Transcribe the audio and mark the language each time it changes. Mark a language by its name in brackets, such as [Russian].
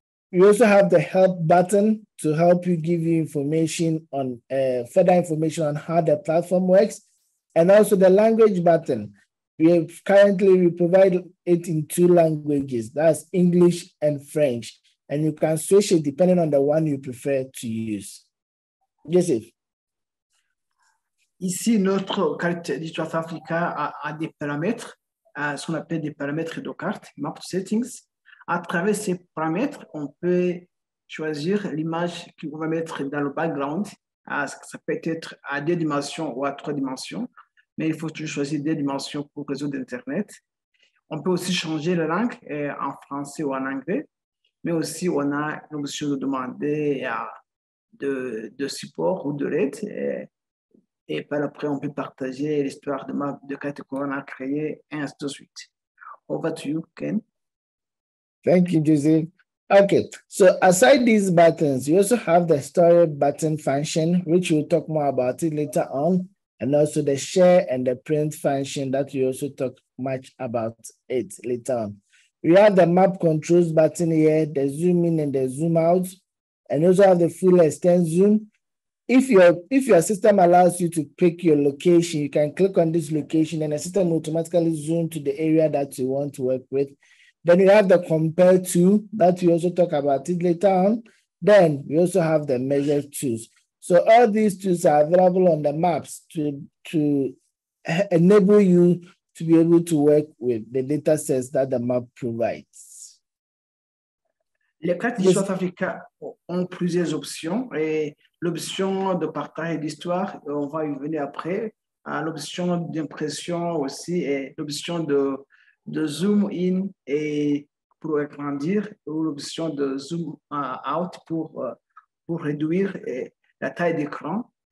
[English] You also have the help button to help you give you information on further information on how the platform works. And also the language button. We provide it in two languages, that's English and French. And you can switch it depending on the one you prefer to use. Joseph. [French] Ici, notre carte d'histoire d'Afrique a des paramètres, ce qu'on appelle des paramètres de carte, [English] map settings. [French] À travers ces paramètres, on peut choisir l'image qu'on va mettre dans le background. Ça peut être à deux dimensions ou à trois dimensions, mais il faut toujours choisir deux dimensions pour le réseau d'Internet. On peut aussi changer la langue en français ou en anglais. Mais aussi, on a l'option de demander de support ou de l'aide. Et par après, on peut partager l'histoire de map de carte qu'on a créée et ainsi de suite. [English] Over to you, Ken. Thank you, Joseph. Okay, so aside these buttons, you also have the story button function, which we'll talk more about it later on, and also the share and the print function that we also talk much about it later on. We have the map controls button here, the zoom in and the zoom out, and also have the full extent zoom. If your system allows you to pick your location, you can click on this location and the system will automatically zoom to the area that you want to work with. Then we have the compare tool that we also talk about it later on. Then we also have the measure tools. So all these tools are available on the maps to enable you to be able to work with the data sets that the map provides. [French] Les cartes d'histoire d'Afrique ont plusieurs options. Et l'option de partage d'histoire, on va y venir après. L'option d'impression aussi et l'option de zoom in et pour agrandir ou l'option de zoom out pour réduire la taille d'écran.